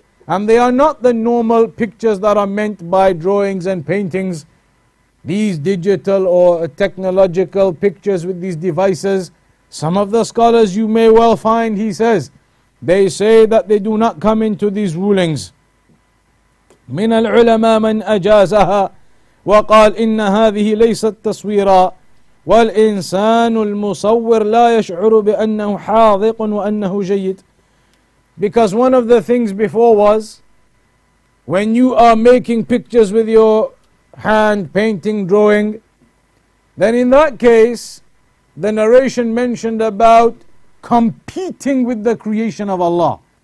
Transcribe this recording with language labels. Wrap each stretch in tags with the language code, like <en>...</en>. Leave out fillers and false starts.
<en>And they are not the normal pictures that are meant by drawings and paintings. These digital or technological pictures with these devices, some of the scholars you may well find, he says, they say that they do not come into these rulings.</en> <ar>من العلماء من أجازها وقال إن هذه ليست تصويرا والإنسان المصور لا يشعر بأنه حاضق وأنه جيد.</ar> <en>Because one of the things before was, when you are making pictures with your hand, painting, drawing, then in that case, the narration mentioned about competing with the creation of Allah.</en>